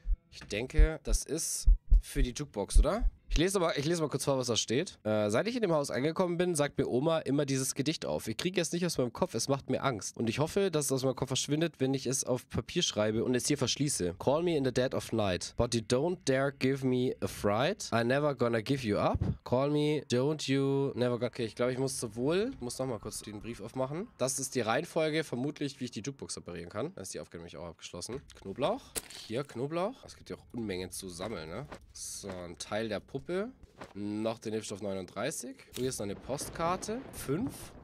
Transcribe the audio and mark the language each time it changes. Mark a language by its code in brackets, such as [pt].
[de] Ich denke, das ist für die Jukebox, oder? Ich lese mal kurz vor, was da steht. Seit ich in dem Haus angekommen bin, sagt mir Oma immer dieses Gedicht auf. Ich kriege es nicht aus meinem Kopf, es macht mir Angst. Und ich hoffe, dass es aus meinem Kopf verschwindet, wenn ich es auf Papier schreibe und es hier verschließe. [en] Call me in the dead of night, but you don't dare give me a fright. I'm never gonna give you up. Call me, don't you, never gonna... [de] Okay, ich glaube, ich muss nochmal kurz den Brief aufmachen. Das ist die Reihenfolge, vermutlich, wie ich die Jukebox reparieren kann. Da ist die Aufgabe nämlich auch abgeschlossen. Knoblauch. Hier, Knoblauch. Es gibt ja auch Unmengen zu sammeln, ne? So, ein Teil der Puppe. Noch den Hilfsstoff 39. Und hier ist noch eine Postkarte. 5.